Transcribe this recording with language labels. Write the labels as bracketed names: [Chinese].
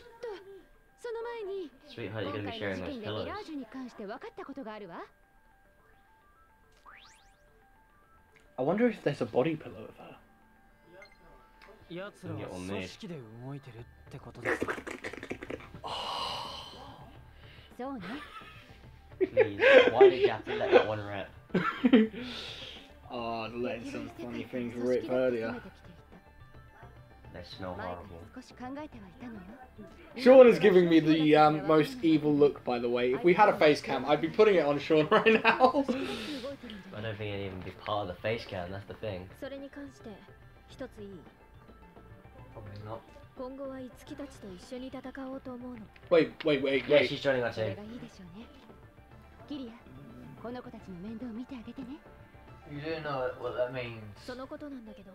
[Japanese] その前に、今回の事件でミラージュに関して分かったことがあるわ。 [English] I wonder if there's a body pillow of her. [Japanese] やつらは組織で動いてるってことですか。そうね。 [English] Sean is giving me the most evil look, by the way. If we had a face cam, I'd be putting it on Sean right now. I don't think it'd even be part of the face cam, that's the thing. [Japanese] それに関して一ついい。今後はイツキたちと一緒に戦おうと思うの。 [English] Wait. She's joining us. [Japanese] それがいいでしょうね。キリア、この子たちの面倒を見てあげてね。 [English] You do know what that means. [Japanese] そのことなんだけど。